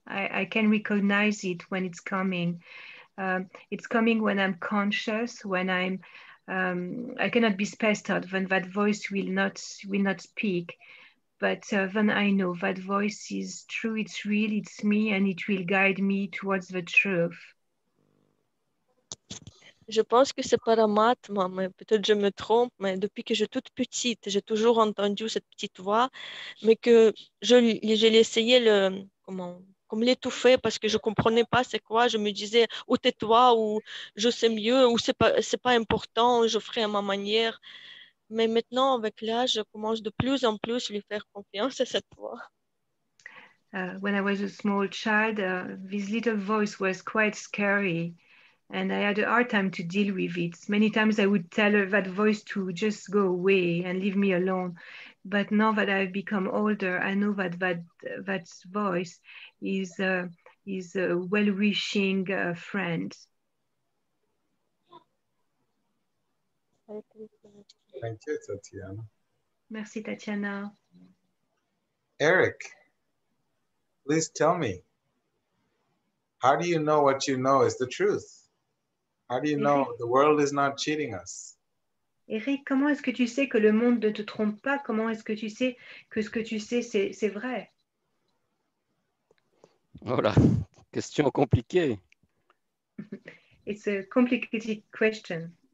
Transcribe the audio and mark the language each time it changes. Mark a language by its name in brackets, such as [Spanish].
[English] I can recognize it when it's coming. It's coming when I'm conscious, when I'm, I cannot be spaced out, when that voice will not speak. But then I know that voice is true, it's real, it's me, and it will guide me towards the truth. [French] Je pense que c'est Paramatma, mais peut-être je me trompe, mais depuis que j'étais toute petite, j'ai toujours entendu cette petite voix, mais que je l'essayais comme l'étouffer parce que je ne comprenais pas c'est quoi. Je me disais, ou tais-toi, ou je sais mieux, ou c'est pas important, je ferai à ma manière. Mais maintenant, avec l'âge, je commence de plus en plus à lui faire confiance à cette voix. [English] When I was a small child, this little voice was quite scary. And I had a hard time to deal with it. Many times I would tell that voice to just go away and leave me alone. But now that I've become older, I know that voice is a well-wishing friend. Thank you, Tatiana. [French] Merci, Tatiana. [English] Eric, please tell me, how do you know what you know is the truth? How do you know the world is not cheating us? [French] Eric, comment est-ce que tu sais que le monde ne te trompe pas? Comment est-ce que tu sais que ce que tu sais, c'est vrai? Voilà, question compliquée. [English] It's a complicated question.